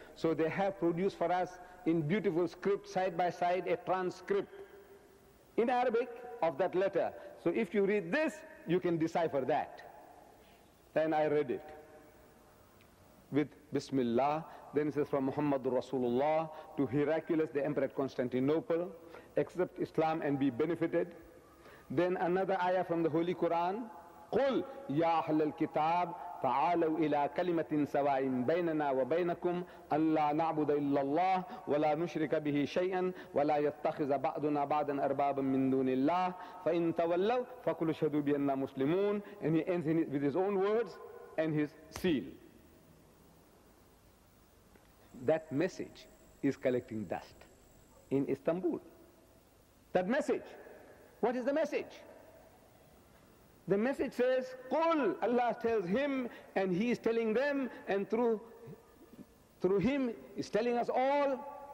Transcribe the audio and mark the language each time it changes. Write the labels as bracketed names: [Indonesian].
[English] So they have produced for us in beautiful script, side by side, a transcript in Arabic of that letter. So if you read this, you can decipher that. Then I read it with Bismillah. Then it says, from Muhammad Rasulullah to Heraclius, the Emperor at Constantinople, accept Islam and be benefited. Then another ayah from the Holy Quran, [Arabic] قُلْ يَا أَهْلَ الْكِتَابِ تَعَالَوْا إِلَىٰ كَلِمَةٍ سَوَاءٍ بَيْنَنَا وَبَيْنَكُمْ أَلَّا نَعْبُدَ إِلَّا اللَّهَ وَلَا نُشْرِكَ بِهِ شَيْئًا وَلَا يَتَّخِذَ بَعْضُنَا بَعْضًا أَرْبَابًا مِنْ دُونِ اللَّهِ فَإِنْ تَوَلَّوْا فَقُلْ اشْهَدُوا بِأَنَّا مُسْلِمُونَ. [English] And he ends in it with his own words and his seal. That message is collecting dust in Istanbul. That message. What is the message? The message says, قُلْ, Allah tells him, and he is telling them, and through him is telling us all.